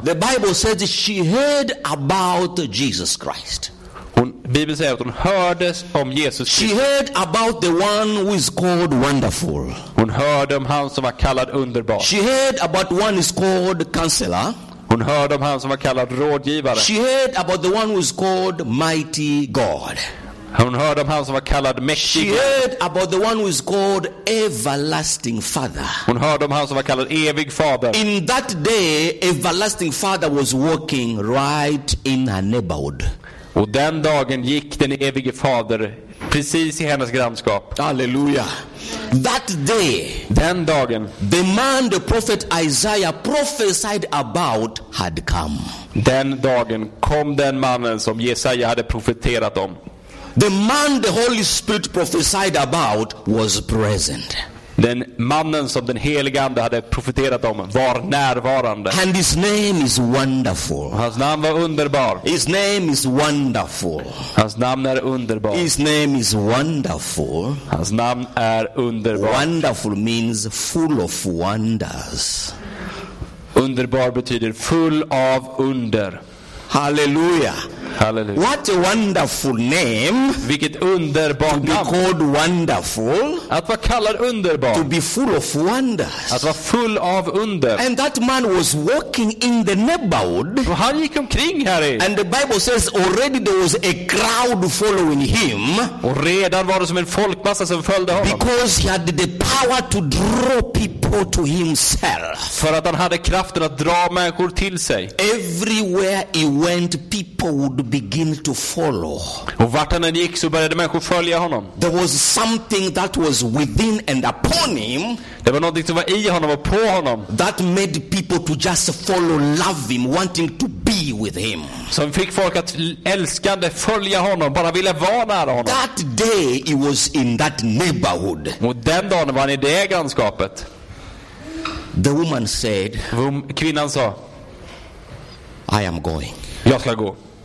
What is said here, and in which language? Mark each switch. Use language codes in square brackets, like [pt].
[en] The Bible says she heard about Jesus Christ. [sv] Bibeln säger att hon hörde om Jesus. [en] She heard about the one who is called wonderful. [sv] Hon hörde om han som var kallad underbar. [en] She heard about one is called counselor. [sv] Hon hörde om han som var kallad rådgivare. [en] She heard about the one who is called mighty God. [sv] Hon hörde om han som var kallad mäktig. [en] She heard about the one who is called everlasting father. [sv] Hon hörde om han som var kallad evig fader. [en] In that day everlasting father was walking right in her neighborhood. [sv] Och den dagen gick den evige fader precis i hennes grannskap. [en] Halleluja. That day, [sv] den dagen, [en] the man the prophet Isaiah prophesied about had come. [sv] Den dagen kom den mannen som Jesaja hade profeterat om. [en] The man the Holy Spirit prophesied about was present. [sv] Den mannen som den heliga ande hade profeterat om var närvarande. [en] And his name is wonderful. [sv] Hans namn var underbar. [en] His name is wonderful. [sv] Hans namn är underbar. [en] His name is wonderful. [sv] Hans namn är underbar. [en] Wonderful means full of wonders. [sv] Underbar betyder full av under. Halleluja. Hallelujah. [en] What a wonderful name. [sv] Vilket underbart namn. [en] To be called wonderful. [sv] Att vara kallad underbar. [en] To be full of wonders. [sv] Att vara full av under. [en] And that man was walking in the neighborhood. [sv] Och han gick omkring här i. [en] And the Bible says already there was a crowd following him. [sv] Och redan var det som en folkmassa som följde honom. [en] Because he had the power to draw people to himself. [sv] För att han hade kraften att dra människor till sig. [en] Everywhere he went, people would begin to follow. [sv] Och vart han än gick så började människor följa honom. [en] There was something that was within and upon him. [sv] Det var någonting som var i honom och på honom. [en] That made people to just follow, love him, wanting to be with him. [sv] Som fick folk att älskande följa honom, bara ville vara nära honom. [en] That day he was in that neighborhood. [sv] Och den dagen var han i det grannskapet. [en] The woman said, [sv] kvinnan sa, [en] I am going. [sv] Jag ska gå.